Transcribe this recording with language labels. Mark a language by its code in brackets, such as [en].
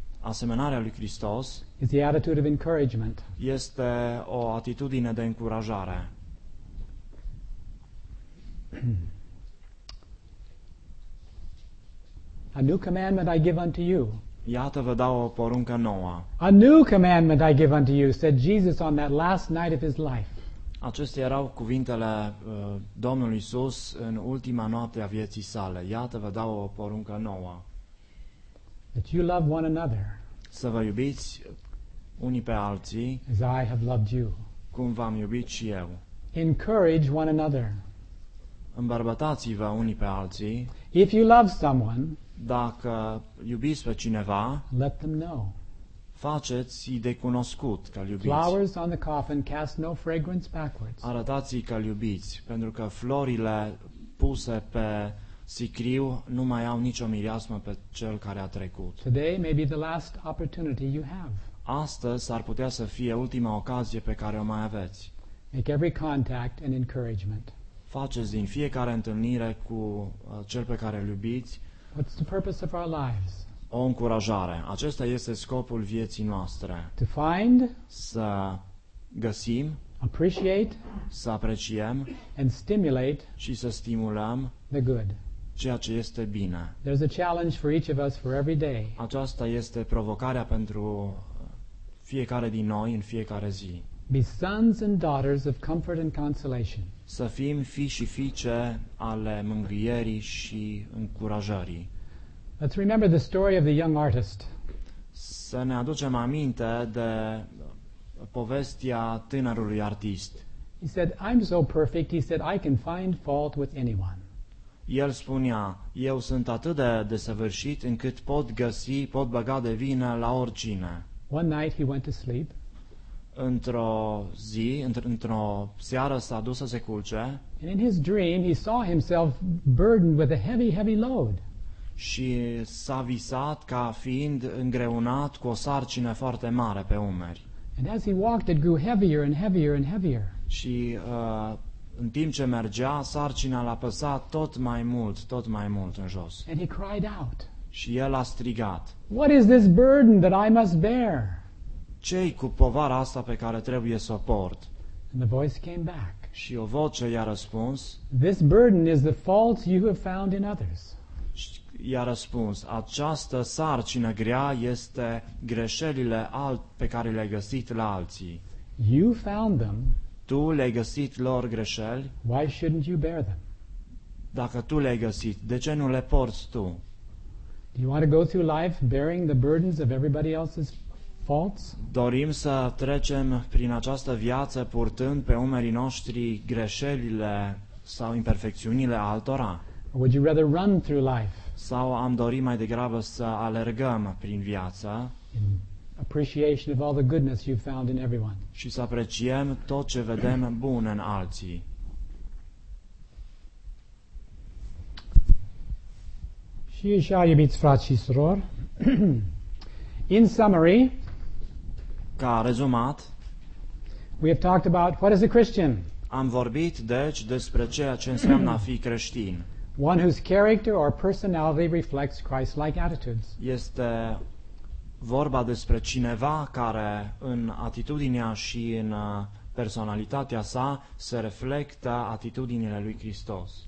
[ro] asemănarea lui Hristos, [en] is the attitude of encouragement. [ro] Este o atitudine de încurajare. [en] A new commandment I give unto you. [ro] Iată, vă dau o poruncă nouă. [en] A new commandment I give unto you, said Jesus on that last night of his life. [ro] Acestea erau cuvintele Domnului Iisus în ultima noapte a vieții sale. Iată, vă dau o poruncă nouă. [en] That you love one another. [ro] Să vă iubiți unii pe alții. [en] As I have loved you. [ro] Cum v-am iubit și eu. [en] Encourage one another. [ro] Îmbărbătați-vă unii pe alții. [en] If you love someone, [ro] dacă iubiți pe cineva, [en] let them know. [ro] faceți-i de cunoscut ca iubiți. [en] Flowers on the coffin cast no fragrance backwards. [ro] Arătați-i ca iubiți, pentru că florile puse pe sicriu nu mai au nicio mireasmă pe cel care a trecut. [en] Today may be the last opportunity you have. [ro] Astăzi ar putea să fie ultima ocazie pe care o mai aveți. [en] Make every contact an encouragement. [ro] Faceți din fiecare întâlnire cu cel pe care îl iubiți. [en] What's the purpose of our lives? [ro] O încurajare. Acesta este scopul vieții noastre. [en] To find, [ro] să găsim, [en] appreciate, [ro] să apreciem, [en] and stimulate, [ro] și să stimulăm, [en] the good. [ro] Ceea ce este bine. [en] There's a challenge for each of us for every day. [ro] Aceasta este provocarea pentru fiecare din noi în fiecare zi. [en] Be sons and daughters of comfort and consolation. [ro] Să fim fii și fiice ale mângâierii și încurajării. [en] Let's remember the story of the young artist. [ro] Să ne aducem aminte de povestea tânărului artist. [en] He said, "I'm so perfect," he said, "I can find fault with anyone." [ro] El spunea, eu sunt atât de desăvârșit încât pot găsi, pot băga de vină la oricine. [en] One night he went to sleep. [ro] Într-o zi, într-o seară s-a dus să se culce. [en] And in his dream he saw himself burdened with a heavy, heavy load. [ro] Și s-a visat ca fiind îngreunat cu o sarcină foarte mare pe umeri. [en] And as he walked it grew heavier and heavier and heavier. [ro] Și în timp ce mergea, sarcina l-a păsat tot mai mult, tot mai mult în jos. [en] And he cried out. [ro] Și el a strigat. [en] What is this burden that I must bear? [ro] Ce-i cu povara asta pe care trebuie să o port? [en] And the voice came back. [ro] Și o voce i-a răspuns. [en] This burden is the fault you have found in others. [ro] I-a răspuns, această sarcină grea este greșelile pe care le-ai găsit la alții. [en] You found them. [ro] Tu le-ai găsit lor greșeli? [en] Why shouldn't you bear them? [ro] Dacă tu le-ai găsit, de ce nu le porți tu? [en] Do you want to go through life bearing the burdens of everybody else's faults? [ro] Dorim să trecem prin această viață purtând pe umerii noștri greșelile sau imperfecțiunile altora? [en] Or would you rather run through life? [ro] Sau am dorit mai degrabă să alergăm prin viață? [en] Appreciation of all the goodness you've found in everyone. [ro] Și să apreciem tot ce vedem bun în alții. Și așa, iubiți frați și surori, [en] in summary, [ro] ca rezumat, [en] we have talked about what is a Christian. [ro] Am vorbit, deci, despre ceea ce înseamnă a fi creștin. [en] One whose character or personality reflects Christ-like attitudes. [ro] Este vorba despre cineva care în atitudinea și în personalitatea sa se reflectă atitudinile lui Hristos.